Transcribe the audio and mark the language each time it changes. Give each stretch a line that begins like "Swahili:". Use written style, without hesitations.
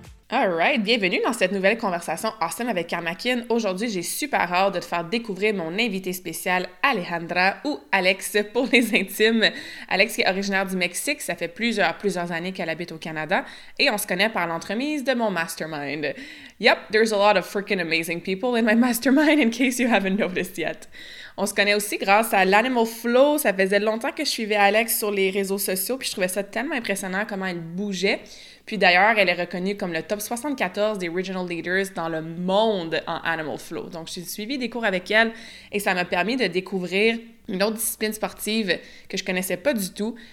English: All right,
French: bienvenue dans cette nouvelle conversation awesome avec Carmackin. Aujourd'hui, j'ai super hâte de te faire découvrir mon invité spécial, Alejandra, ou Alex pour les intimes. Alex qui est originaire du Mexique, ça fait plusieurs années qu'elle habite au Canada, et on se connaît par l'entremise de mon mastermind.
English: Yep, there's a lot of freaking amazing people in my mastermind, in case you haven't noticed yet.
French: On se connaît aussi grâce à l'Animal Flow. Ça faisait longtemps que je suivais Alex sur les réseaux sociaux, puis je trouvais ça tellement impressionnant comment elle bougeait. Puis d'ailleurs, elle est reconnue comme le top 74 des Regional Leaders dans le monde en Animal Flow. Donc, j'ai suivi des cours avec elle et ça m'a permis de découvrir une autre discipline sportive que je connaissais pas du tout.